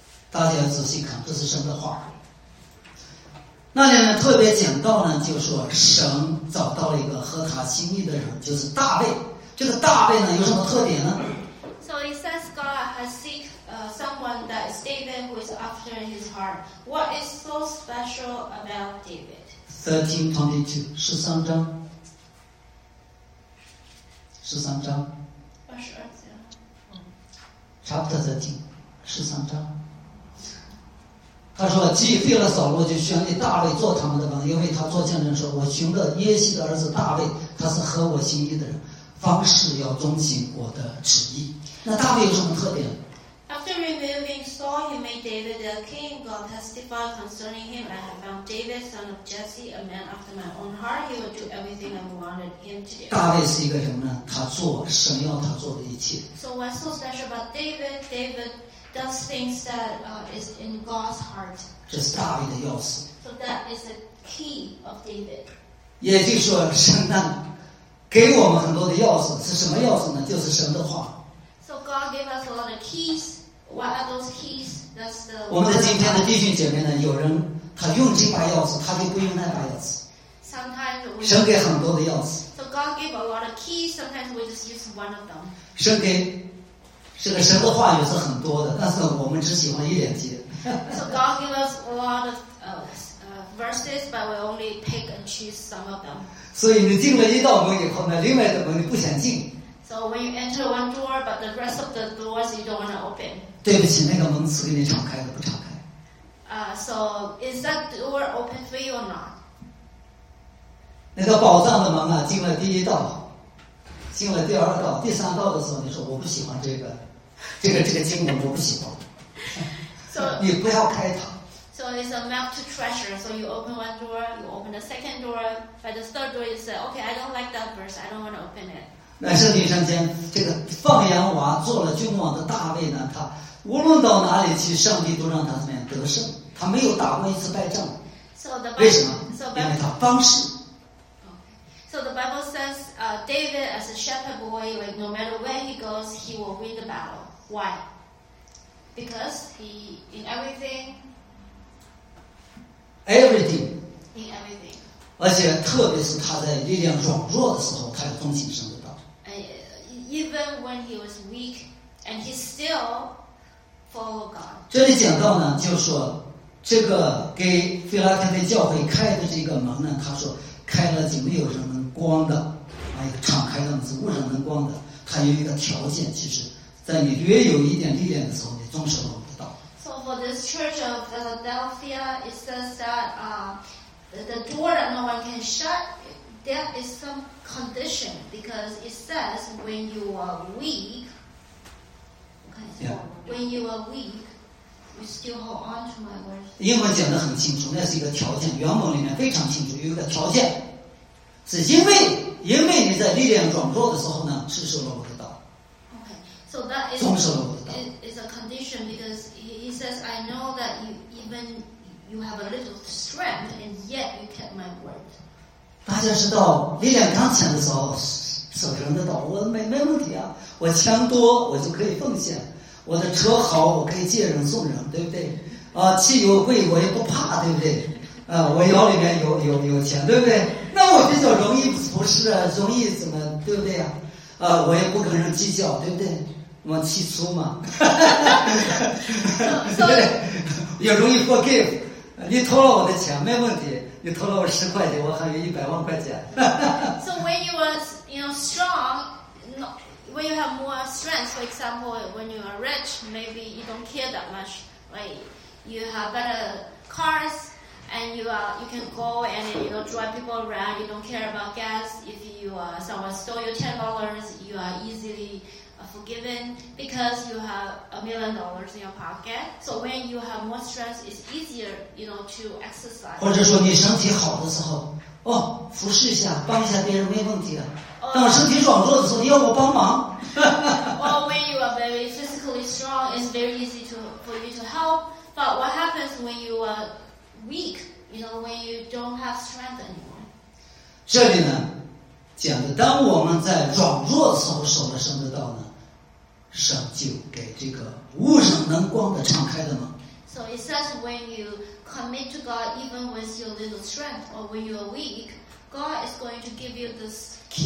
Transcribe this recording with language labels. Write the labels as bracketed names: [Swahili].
[Chinese] 大家要仔细看，这是神的话。那里呢特别讲到呢，就是说神找到了一个合他心意的人，就是大卫。这个大卫呢有什么特点呢？ [English] So it says God has seek someone that is David, who is after his heart. What is so special about David? [Chinese] 13:22, 十三章，十三章，二十二节。 [English] Chapter 13, [Chinese] 十三章。他说既废了扫罗，就选给大卫做他们的王，因为他做见证说，我寻了耶西的儿子大卫，他是合我心意的人，凡事要遵行我的旨意。那大卫有什么特点？ [English] After removing Saul, he made David a king. God testified concerning him, I have found David, son of Jesse, a man after my own heart. He will do everything I wanted him to do. [Chinese] 大卫是一个什么呢？他做神要他做的一切。 [English] So what's so special about David does things that is in God's heart. [Chinese] 这是大卫的钥匙。 [English] So that is the key of David. [Chinese] 也就是说神呢给我们很多的钥匙，是什么钥匙呢？就是神的话。 [English] So God gave us a lot of keys. What are those keys? That's the [Chinese] 我们的今天的弟兄姐妹呢，有人他用这把钥匙，他就不用那把钥匙。 [English] Sometimes [Chinese] 神给很多的钥匙。 [English] So God gave a lot of keys. Sometimes we just use one of them. [Chinese] 神给这个神的话语是很多的，但是我们只喜欢一两节。 [English] So God gives us a lot of verses, but we only pick and choose some of them. [Chinese] 所以你进了一道门以后呢，另外的门你不想进。 [English] So when you enter one door, but the rest of the doors you don't want to open. [Chinese] 对不起，那个门是给你敞开的，不敞开。 [English] So is that door open for you or not? [Chinese] 那个宝藏的门啊，进了第一道。进了第二道、第三道的时候，你说我不喜欢这个经文，我不喜欢。 [English] So, [Chinese] 你不要开它。 [English] So it's a map to treasure. So you open one door, you open the second door. By the third door, you say, okay, I don't like that verse. I don't want to open it. [Chinese] 乃圣经上讲，这个放羊娃做了君王的大卫呢，他无论到哪里去，上帝都让他怎么样得胜，他没有打过一次败仗。 [English] So the [Chinese] Bible, 为什么？ [English] So, [Chinese] 因为他方式。 [English] So the Bible says, David as a shepherd boy, like no matter where he goes, he will win the battle. Why? Because he in everything. Everything. In everything. [Chinese] 而且特别是他在力量软弱的时候，他要遵行神的道。 [English] Even when he was weak, and he still followed God. [Chinese] 这里讲到呢，就是说这个给腓拉铁的教会开的这个门呢，他说开了就没有人能光的，哎，敞开的是无人能光的。它有一个条件，其实在你略有一点力量的时候，你遵守不到。 [English] So for this church of Philadelphia, it says that the door that no one can shut, there is some condition because it says when you are weak, when you are weak, you still hold on to my words. [Chinese] 英文讲得很清楚，那是一个条件，原文里面非常清楚，有一个条件。是因为你在力量软弱的时候呢，是受了我的道。 [English] Okay, so that is [Chinese] 遵守了我的道。 [English] It's a condition because he says, I know that you even you have a little strength and yet you kept my word. [Chinese] 大家知道力量刚强的时候守人的道，我没问题啊，我钱多我就可以奉献，我的车好我可以借人送人，对不对？汽油贵我也不怕，对不对？我腰里面有钱，对不对？那我比较容易不是啊，容易怎么，对不对啊？我也不跟人计较，对不对？我气粗嘛，对，也容易 [English] forgive。 [Chinese] 你偷了我的钱没问题，你投了我十块钱，我还有一百万块钱。 [English] So when you are, you know, strong, when you have more strength, for example, when you are rich, maybe you don't care that much. Like you have better cars, and you can go and you know drive people around. You don't care about gas. If you someone stole your $10, you are easily forgiven because you have $1,000,000 in your pocket. So when you have more strength, it's easier, you know, to exercise. [Chinese] 或者说你身体好的时候，哦，服侍一下，帮一下别人没问题的。当身体软弱的时候，你要我帮忙。 [English] Well, when you are very physically strong, it's very easy to for you to help. But what happens when you are weak? You know, when you don't have strength anymore. [Chinese] 这里呢，讲的当我们在软弱的时候守了神的道呢，神就给这个无人能光的敞开的门。 [English] So it says when you commit to God, even with your little strength or when you are weak, God is going to give you this.